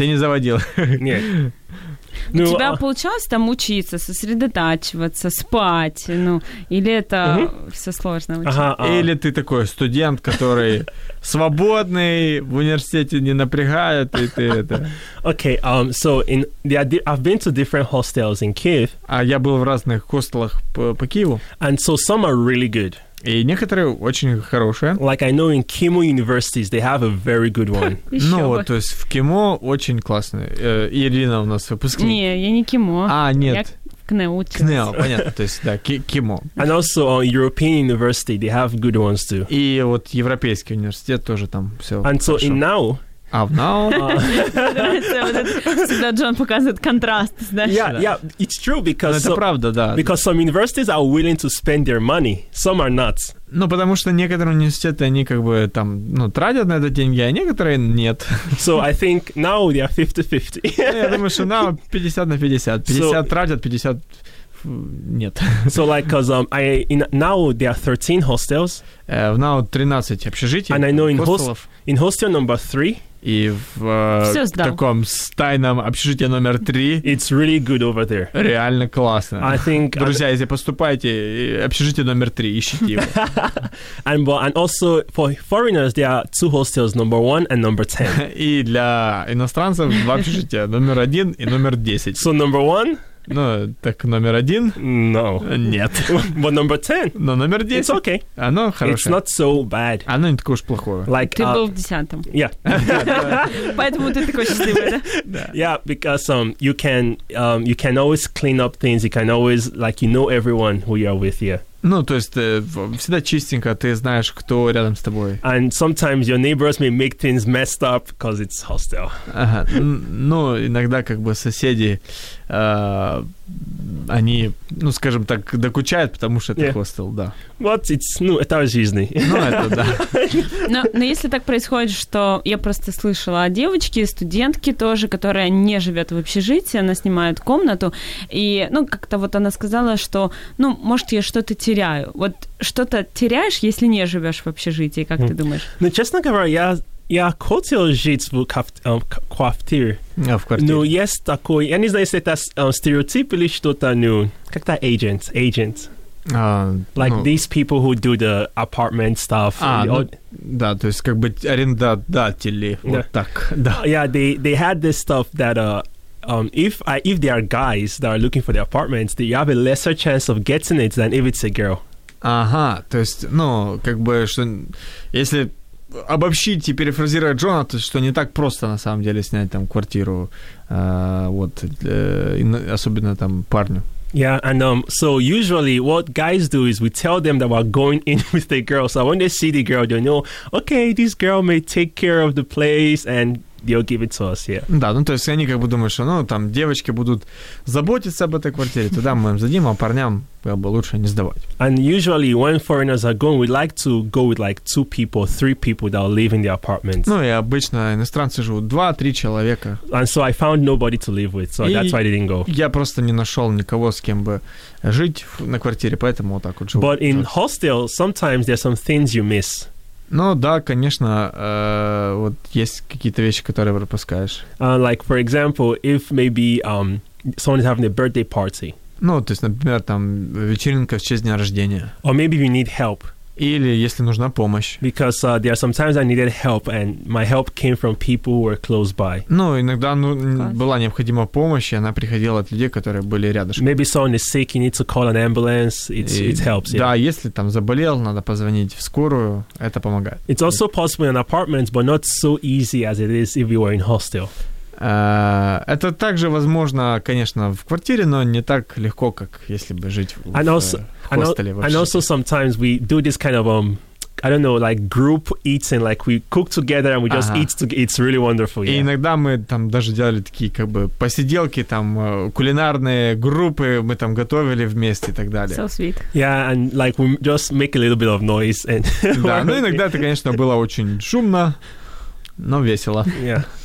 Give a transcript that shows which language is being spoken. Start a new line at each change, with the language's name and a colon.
Russian: Ты не заводил. Нет. Ну, у тебя получалось там учиться, сосредотачиваться, спать, ну, или это все сложно учиться? Ага, или ты такой студент, который свободный, в университете не напрягает, и ты это...
English: Okay, so I've been to different hostels in Kyiv.
Russian: А я был в разных хостелах по Киеву.
English: And so some are really good.
Russian: И некоторые очень хорошие.
English: Like I know in KIMU universities they have a very good one.
Russian: Ну вот, то есть в КИМО очень классные. Ирина у нас выпускник. Не, я не КИМО. А, нет. Я КНЕУ. КНЕУ, понятно, то есть, да, КИМО.
English: And also on European University, they have good ones too.
Russian: И вот Европейский университет тоже там все хорошо.
English: And so in NAU...
Russian: А в НАУ... Всегда Джон показывает контраст.
English: Yeah, it's true because...
Russian: Это правда, да.
English: Because some universities are willing to spend their money, some are not.
Russian: Ну, потому что некоторые университеты, они как бы там, ну, тратят на это деньги, а некоторые нет.
English: So I think now they are 50-50.
Russian: Я думаю, что now 50 на 50. 50 тратят, 50... Нет.
English: So like, cause now there are 13 hostels.
Russian: Now 13 общежитий.
English: And I know in hostel number 3.
Russian: И в таком стайном общежитии номер 3.
English: It's really good over there.
Russian: Реально классно.
English: I think.
Russian: Друзья, если поступаете, общежитие номер 3, ищите его.
English: And also for foreigners there are 2 hostels, number 1 and number 10.
Russian: И для иностранцев 2 общежития, номер 1 и номер 10.
English: So number 1.
Russian: Ну, так номер один?
English: No.
Russian: Нет.
English: But number 10.
Russian: Но номер 10.
English: It's okay.
Russian: Оно хорошее.
English: It's not so bad.
Russian: Оно не такое уж плохое. Like, ты был в десятом.
English: Yeah.
Russian: Поэтому ты такой счастливый, да?
English: Yeah, because you can always clean up things. You can always, like, you know everyone who you are with here.
Russian: Ну, то есть, всегда чистенько, ты знаешь, кто рядом с тобой.
English: And sometimes your neighbors may make things messed up because it's hostel.
Russian: Ага. Ну, иногда, как бы, соседи, они, ну, скажем так, докучают, потому что это хостел, да. Вот, ну, это жизнь. Ну, это да. Но если так происходит, что я просто слышала о девочке, студентке тоже, которая не живет в общежитии, она снимает комнату, и, ну, как-то вот она сказала, что, ну, может, я что-то теряю. Вот что-то теряешь, если не живешь в общежитии, как ты думаешь? Ну, честно говоря, я хотел жить в квартире. А, в квартире. Ну, есть такой, я не знаю, если это стереотип или что-то, ну, как-то agent.
English: Like, ну, these people who do the apartment stuff.
Russian: А, ну, да, то есть как бы арендодатели, да. Вот так, да.
English: Yeah, they had this stuff that, if there are guys that are looking for the apartments, then you have a lesser chance of getting it than if it's a girl.
Russian: Ага, то есть, ну, как бы, что, если... обобщить и перефразировать Джона, то, что не так просто, на самом деле, снять там квартиру, вот, особенно там парню.
English: Yeah, and so usually what guys do is we tell them that we're going in with the girl, so when they see the girl, they know, okay, this girl may take care of the place, and they'll give it to us, yeah.
Russian: Да, ну, то есть они как бы думают, что, ну, там, девочки будут заботиться об этой квартире, тогда мы им зададим, а парням как бы лучше не сдавать.
English: And usually when foreigners are going, we like to go with, like, 2 people, 3 people that will live in the apartment.
Russian: Ну, и обычно иностранцы живут 2-3 человека.
English: And so I found nobody to live with, so
Russian: и
English: that's why I didn't go.
Russian: Я просто не нашел никого, с кем бы жить на квартире, поэтому вот так вот живу.
English: But in hostel, sometimes there's some things you miss.
Russian: Ну да, конечно, вот есть какие-то вещи, которые пропускаешь.
English: Like, for example, if maybe someone is having a birthday party.
Russian: Ну, то есть, например, там вечеринка в честь дня рождения.
English: Or maybe you need help.
Russian: Или если нужна помощь.
English: Because there are sometimes I needed help, and my help came from people who were close by.
Russian: Ну, иногда, ну, была необходима помощь, и она приходила от людей, которые были рядышком.
English: Maybe someone is sick, you need to call an ambulance, it helps. Yeah.
Russian: Да, если там заболел, надо позвонить в скорую, это помогает.
English: It's also possible in an apartment, but not so easy as it is if you were in hostel.
Russian: Это также возможно, конечно, в квартире, но не так легко, как если бы жить в хостеле.
English: And also sometimes we do this kind of, I don't know, like group eating, like we cook together and we just eat together. It's really wonderful. Yeah.
Russian: И иногда мы там даже делали такие как бы посиделки, там кулинарные группы, мы там готовили вместе и так далее.
English: So sweet. Yeah, and like we just make a little bit of noise. And
Russian: да, ну иногда это, конечно, было очень шумно, но весело.
English: Yeah.